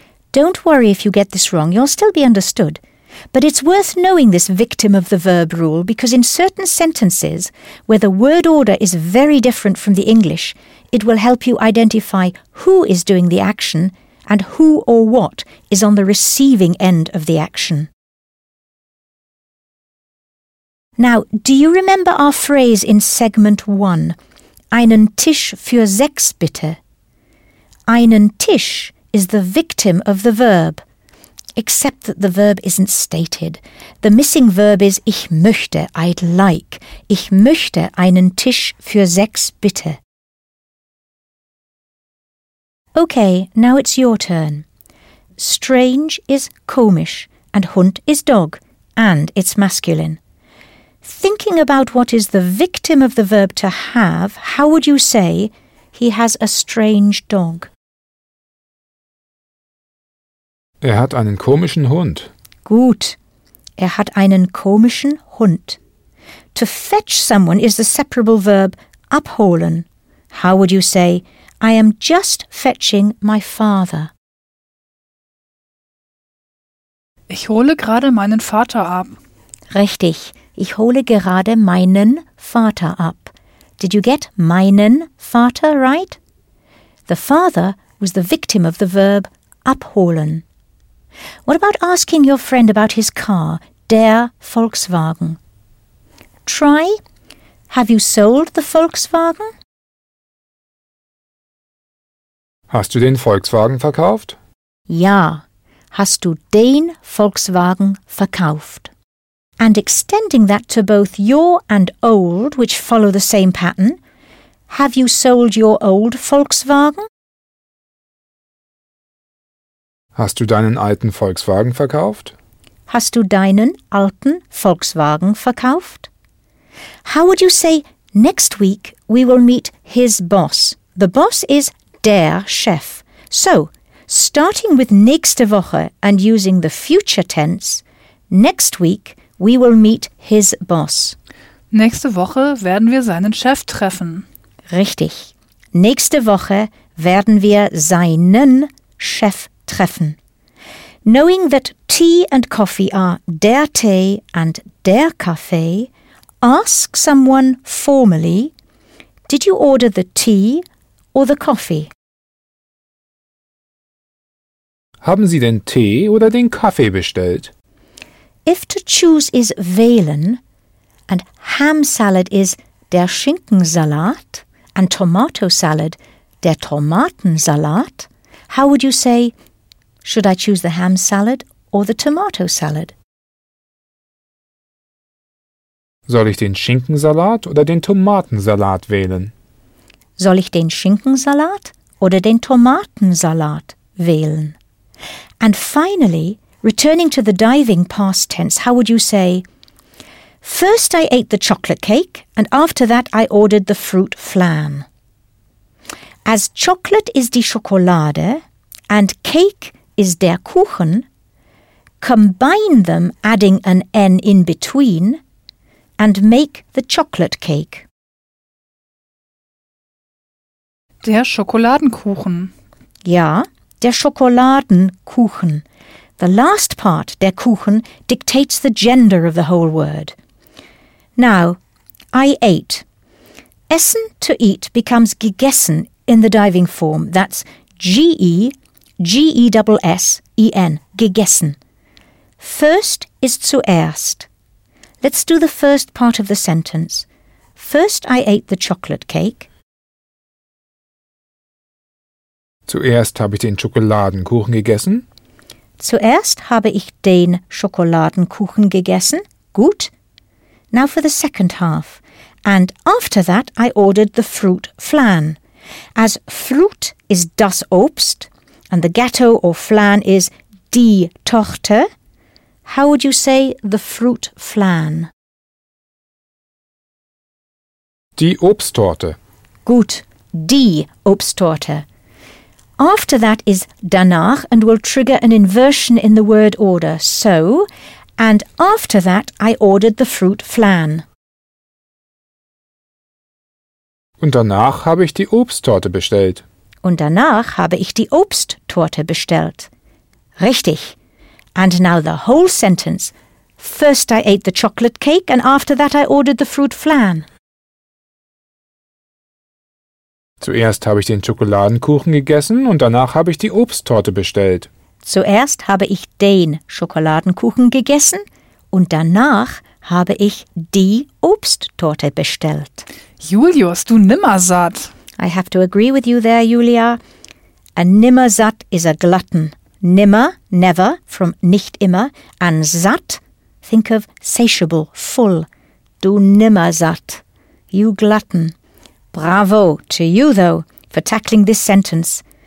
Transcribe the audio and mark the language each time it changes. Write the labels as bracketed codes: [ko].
[en] Don't worry if you get this wrong, you'll still be understood. But it's worth knowing this victim of the verb rule because in certain sentences where the word order is very different from the English, it will help you identify who is doing the action and who or what is on the receiving end of the action. Now, do you remember our phrase in segment one? [de] Einen Tisch für sechs bitte. [en] Einen Tisch is the victim of the verb, except that the verb isn't stated. The missing verb is [de] ich möchte, [en] I'd like. [de] Ich möchte einen Tisch für sechs bitte. [en] Okay, now it's your turn. Strange is komisch, and Hund is dog, and it's masculine. Thinking about what is the victim of the verb to have, how would you say he has a strange dog? [de] Er hat einen komischen Hund. Gut. Er hat einen komischen Hund. [en] To fetch someone is the separable verb abholen. How would you say, I am just fetching my father? [de] Ich hole gerade meinen Vater ab. Richtig. Ich hole gerade meinen Vater ab. [en] Did you get meinen Vater right? The father was the victim of the verb abholen. What about asking your friend about his car? der Volkswagen. Try, have you sold the Volkswagen? [de] Hast du den Volkswagen verkauft? Ja, hast du den Volkswagen verkauft? [en] And extending that to both your and old, which follow the same pattern, have you sold your old Volkswagen? [de] Hast du deinen alten Volkswagen verkauft? Hast du deinen alten Volkswagen verkauft? [en] How would you say, next week we will meet his boss? The boss is der Chef. So, starting with [de] nächste Woche [en] and using the future tense, next week we will meet his boss. [de] Nächste Woche werden wir seinen Chef treffen. Richtig. Nächste Woche werden wir seinen Chef treffen. [en] Knowing that tea and coffee are der Tee and der Kaffee, ask someone formally, did you order the tea or the coffee? [de] Haben Sie den Tee oder den Kaffee bestellt? [en] If to choose is wählen and ham salad is der Schinkensalat and tomato salad der Tomatensalat, how would you say, should I choose the ham salad or the tomato salad? [de] Soll ich den Schinkensalat oder den Tomatensalat wählen? Soll ich den Schinkensalat oder den Tomatensalat wählen? [en] And finally, returning to the diving past tense, how would you say, first I ate the chocolate cake and after that I ordered the fruit flan. As chocolate is die Schokolade and cake is der Kuchen, combine them adding an N in between and make the chocolate cake. [de] Der Schokoladenkuchen. Ja, der Schokoladenkuchen. [en] The last part, der Kuchen, dictates the gender of the whole word. Now, I ate. Essen, to eat, becomes gegessen in the diving form. That's G-E-G-E-S-S-E-N, gegessen. First is zuerst. Let's do the first part of the sentence. First I ate the chocolate cake. [de] Zuerst habe ich den Schokoladenkuchen gegessen. Zuerst habe ich den Schokoladenkuchen gegessen. Gut. [en] Now for the second half. And after that I ordered the fruit flan. As fruit is das Obst and the Gatto or flan is die Torte, how would you say the fruit flan? [de] Die Obsttorte. Gut. Die Obsttorte. [en] After that is danach and will trigger an inversion in the word order. So, and after that I ordered the fruit flan. [de] Und danach habe ich die Obsttorte bestellt. Und danach habe ich die Obsttorte bestellt. Richtig. [en] And now the whole sentence. First I ate the chocolate cake and after that I ordered the fruit flan. [de] Zuerst habe ich den Schokoladenkuchen gegessen und danach habe ich die Obsttorte bestellt. Zuerst habe ich den Schokoladenkuchen gegessen und danach habe ich die Obsttorte bestellt. Julius, du nimmersatt. [en] I have to agree with you there, Julia. A nimmersatt is a glutton. Nimmer, never, from [de] nicht immer, [en] and satt, think of satiable, full. [de] Du nimmersatt. [en] You glutton. Bravo to you, though, for tackling this sentence.